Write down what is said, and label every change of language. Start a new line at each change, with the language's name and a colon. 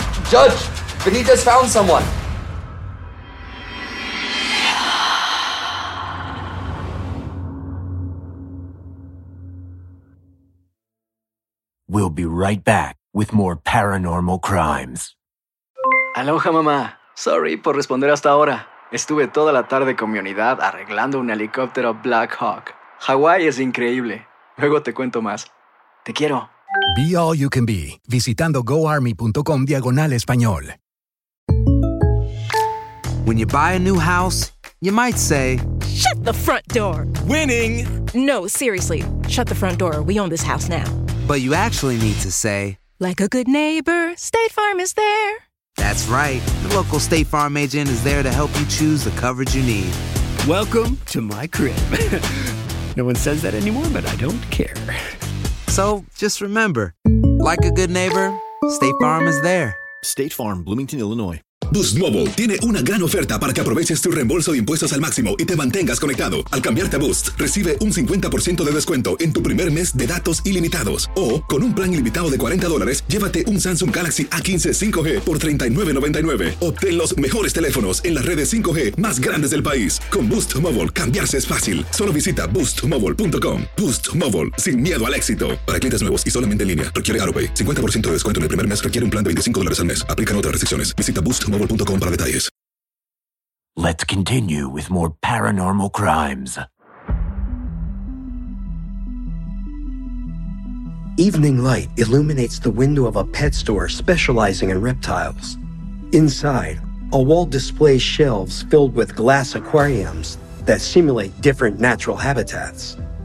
English: Judge, Benitez found someone. We'll be right back with more Paranormal Crimes.
Spanish: Aloha, mamá. Sorry por responder hasta ahora. Estuve toda la tarde con mi unidad arreglando un helicóptero Black Hawk. Hawái es increíble. Luego te cuento más. Te quiero.
English: Be all you can be.
Spanish: Visitando goarmy.com/español.
English: When you buy a new house, you might say, shut the front door. Winning. No, seriously, shut the front door. We own this house now. But you actually need to say, like a good neighbor, State Farm is there. That's right. The local State Farm agent is there to help you choose the coverage you need. Welcome to my crib. No one says that anymore, but I don't care. So, just remember, like a good neighbor, State Farm is there. State Farm, Bloomington, Illinois.
Spanish: Boost Mobile tiene una gran oferta para que aproveches tu reembolso de impuestos al máximo y te mantengas conectado. Al cambiarte a Boost, recibe un 50% de descuento en tu primer mes de datos ilimitados. O, con un plan ilimitado de $40, llévate un Samsung Galaxy A15 5G por $39.99. Obtén los mejores teléfonos en las redes 5G más grandes del país. Con Boost Mobile, cambiarse es fácil. Solo visita BoostMobile.com. Boost Mobile, sin miedo al éxito. Para clientes nuevos y solamente en línea, requiere AutoPay. 50% de descuento en el primer mes requiere un plan de $25 al mes. Aplican otras restricciones. Visita Boost Mobile.
English: Let's continue with more paranormal crimes. Evening light illuminates the window of a pet store specializing in reptiles. Inside, a wall displays shelves filled with glass aquariums that simulate different natural habitats.